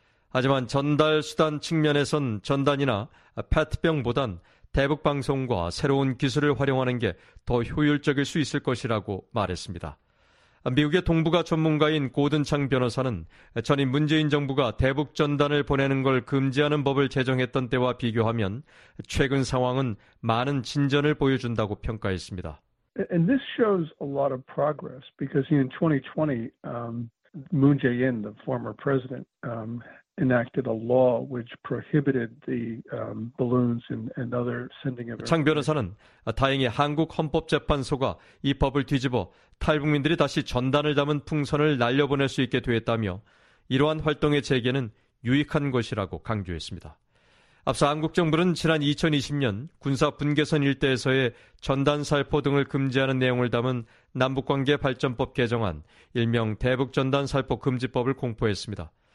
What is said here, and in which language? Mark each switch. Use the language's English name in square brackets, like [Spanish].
[Korean] 하지만 전달 수단 측면에선 전단이나 페트병보단 대북 방송과 새로운 기술을 활용하는 게 더 효율적일 수 있을 것이라고 말했습니다. 미국의 동북아 전문가인 고든 창 변호사는 전임 문재인 정부가 대북 전단을 보내는 걸 금지하는 법을 제정했던 때와 비교하면 최근 상황은 많은 진전을 보여준다고 평가했습니다. [English] And this shows a lot of progress because in 2020, Moon Jae-in, the former president, enacted a law which prohibited the balloons and other sending of. [Korean] 창 변호사는 다행히 한국 헌법재판소가 이 법을 뒤집어 탈북민들이 다시 전단을 담은 풍선을 날려보낼 수 있게 되었다며 이러한 활동의 재개는 유익한 것이라고 강조했습니다. 앞서 한국 정부는 지난 2020년 군사 분계선 일대에서의 전단 살포 등을 금지하는 내용을 담은 남북관계발전법 개정안, 일명 대북전단살포금지법을 공포했습니다.